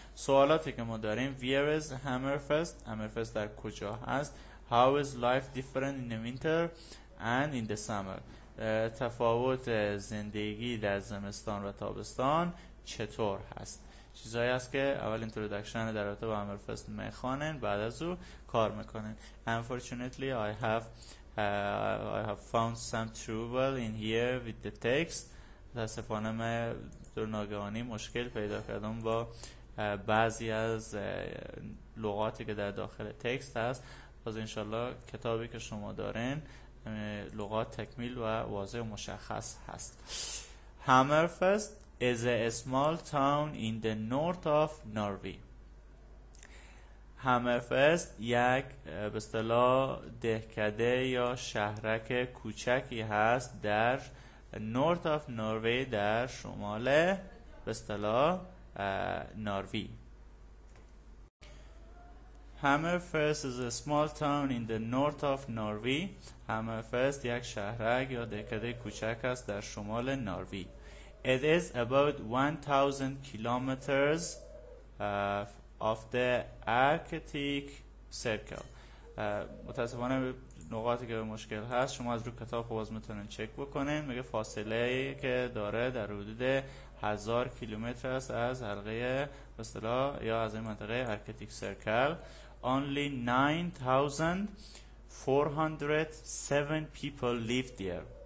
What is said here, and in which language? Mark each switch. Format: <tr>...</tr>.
<fa>سوالاتی که ما داریم،</fa> <en>where is Hammerfest؟</en> <fa>Hammerfest در کجا هست؟</fa> <en>How is life different in the winter and in the summer؟</en> <fa>تفاوت زندگی در زمستان و تابستان چطور هست؟ چیزایی هست که اول introduction در رابطه با Hammerfest میخوانن، بعد از او کار میکنن.</fa> <en>Unfortunately I have found some trouble in here with the text.</en> <fa>متاسفانه من در ناگهانی مشکل پیدا کردم با بعضی از لغاتی که در داخل تکست هست. باز انشالله کتابی که شما دارین لغات تکمیل و واضح و مشخص هست.</fa> <en>Hammerfest is a small town in the north of Norway.</en> <fa>Hammerfest یک به اصطلاح دهکده یا شهرک کوچکی هست در</fa> <en>north of Norway،</en> <fa>در شمال به اصطلاح نروژ.</fa> <en>Hammerfest is a small town in the north of Norway.</en> <fa>Hammerfest یک شهرک یا دهکده کوچک است در شمال نروژ.</fa> <en>It is about 1000 kilometers of the Arctic Circle.</en> <fa>متاسفانه نقاطی که مشکل هست شما از روی کتاب خوب از میتونن چک بکنین. میگه فاصله که داره در حدود 1000 کیلومتر است از حلقه به اصطلاح یا از این منطقه Arctic Circle.</fa> <en>Only 9,407 people live there.</en>